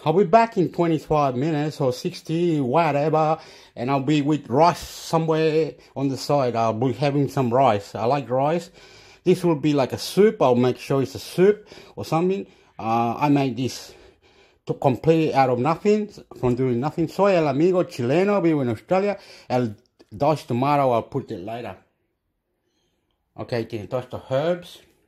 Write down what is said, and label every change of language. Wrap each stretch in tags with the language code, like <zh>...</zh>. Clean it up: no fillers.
<en>I'll be back in 25 minutes or 60, whatever. And I'll be with rice somewhere on the side. I'll be having some rice. I like rice. This will be like a soup. I'll make sure it's a soup or something. I made this to complete out of nothing, from doing nothing.</en> <es>Soy el amigo chileno, vivo en Australia. El dos</es> <en>tomorrow, I'll put it later.</en> <es>Okay, tiene todos estos herbs.</es>